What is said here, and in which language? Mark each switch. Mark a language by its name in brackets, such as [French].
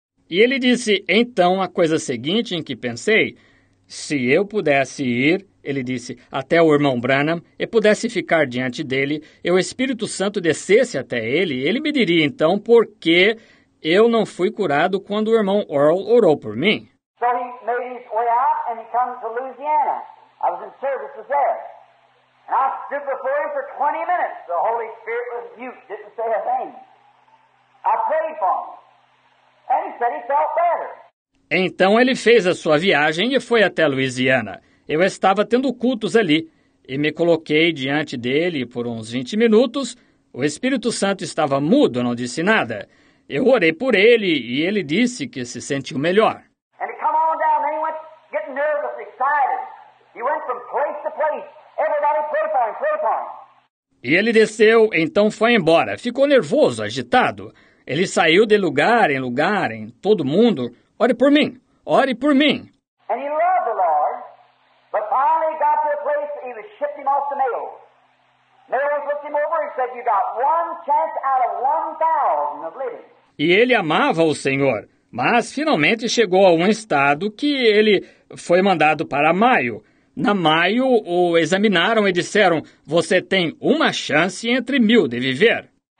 [Portuguese] E ele disse, então, a coisa seguinte em que pensei, se eu pudesse ir, ele disse, até o irmão Branham, e pudesse ficar diante dele, e o Espírito Santo descesse até ele, ele me diria, então, por que eu não fui curado quando o irmão Orol orou por mim. [English] So he made his way out, and he came to Louisiana. I was in services there. And I stood before him for 20 minutes. The Holy Spirit was mute, didn't say a thing. I prayed for him. And he said he felt better. [Portuguese] Então ele fez a sua viagem e foi até Louisiana. Eu estava tendo cultos ali e me coloquei diante dele por uns 20 minutos. O Espírito Santo estava mudo, não disse nada. Eu orei por ele e ele disse que se sentiu melhor. [English] And he come on down, and he went getting nervous, excited. He went from place to place. Everybody pray for him, pray for him. [Portuguese] E ele desceu, então foi embora. Ficou nervoso, agitado. Ele saiu de lugar em lugar, em todo mundo. Ore por mim, ore por mim. [English] And he loved the Lord, but finally got to a place and he shipped him off to Mayo. Mayo looked him over and said, you got one chance out of 1,000 of living. [Portuguese] E ele amava o Senhor, mas finalmente chegou a um estado que ele foi mandado para Mayo. Na Mayo, o examinaram e disseram, você tem uma chance entre mil de viver.